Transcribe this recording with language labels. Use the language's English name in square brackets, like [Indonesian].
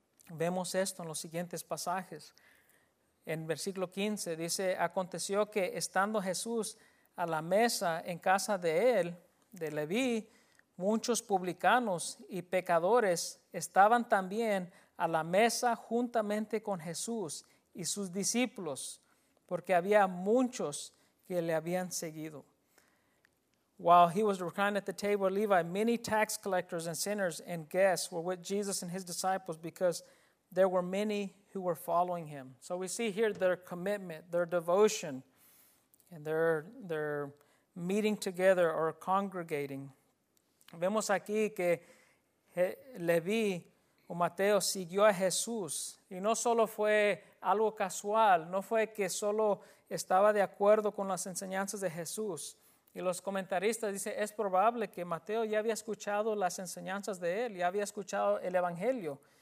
[Spanish] Vemos esto en los siguientes pasajes. En versículo 15 dice, aconteció que estando Jesús a la mesa en casa de él, de Leví, muchos publicanos y pecadores estaban también a la mesa juntamente con Jesús y sus discípulos, porque había muchos que le habían seguido. [English] While he was reclined at the table of Levi, many tax collectors and sinners and guests were with Jesus and his disciples because there were many who were following him. So we see here their commitment, their devotion, and their meeting together or congregating. [Spanish] Vemos aquí que Levi o Mateo siguió a Jesús. Y no solo fue algo casual, no fue que solo estaba de acuerdo con las enseñanzas de Jesús. Y los comentaristas dicen, es probable que Mateo ya había escuchado las enseñanzas de él, ya había escuchado el Evangelio.